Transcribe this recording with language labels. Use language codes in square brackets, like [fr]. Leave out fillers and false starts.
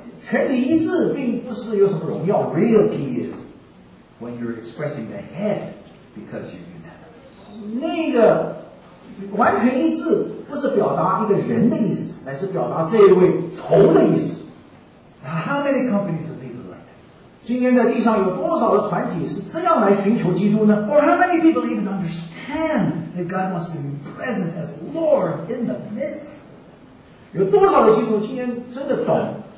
[zh] 权力一致并不是有什么荣耀. [en] The real key is when you're expressing the head because you're unanimous. [zh] 那个完全一致不是表达一个人的意思，乃是表达这一位头的意思. [en] Now, how many companies of people like that? [zh] 今天在地上有多少的团体是这样来寻求基督呢? [en] Or how many people even understand that God wants to be present as Lord in the midst? [zh] 有多少的基督今天真的懂?